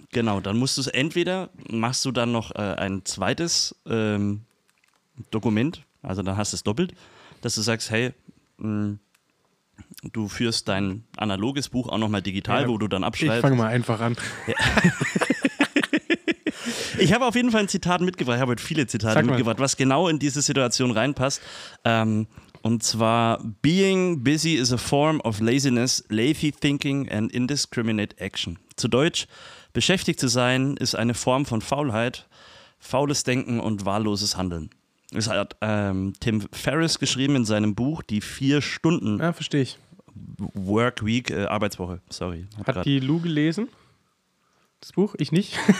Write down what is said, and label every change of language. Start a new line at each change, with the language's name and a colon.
German: Genau, dann musst du es entweder, machst du dann noch ein zweites Dokument, also dann hast du es doppelt, dass du sagst, hey, du führst dein analoges Buch auch nochmal digital, wo du dann abschreibst. Ich fange mal einfach an. Ja. Ich habe auf jeden Fall ein Zitat mitgebracht. Ich habe heute viele Zitate mitgebracht, was genau in diese Situation reinpasst. Und zwar,
English: being busy is a form of laziness, lazy thinking and indiscriminate action.
German: Zu Deutsch, beschäftigt zu sein ist eine Form von Faulheit, faules Denken und wahlloses Handeln. Das hat Tim Ferriss geschrieben in seinem Buch, die 4 Stunden. Ja, verstehe ich. Work Week, Arbeitswoche, sorry. Hat die Lou gelesen? Das Buch? Ich nicht.